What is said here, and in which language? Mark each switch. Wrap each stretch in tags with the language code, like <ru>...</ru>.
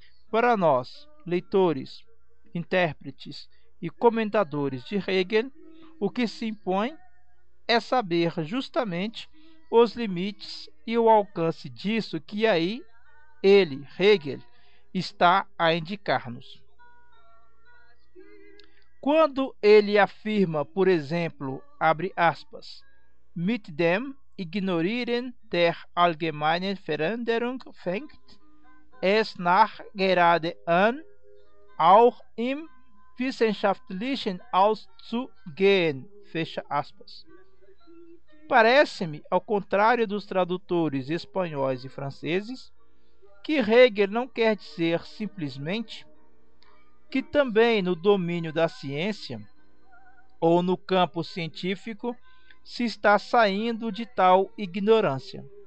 <pt>para nós, leitores, intérpretes e comentadores de Hegel, o que se impõe é saber justamente os limites e o alcance disso que aí ele, Hegel, está a indicar-nos. Quando ele afirma, por exemplo, abre aspas,</pt> <de>mit dem ignorieren der allgemeinen Veränderung fängt es nach gerade an, auch im wissenschaftlichen auszugehen,</de> <pt>fecha aspas. Parece-me, ao contrário dos tradutores espanhóis e franceses, que Hegel não quer dizer simplesmente que também no domínio da ciência ou no campo científico se está saindo de tal ignorância.</pt>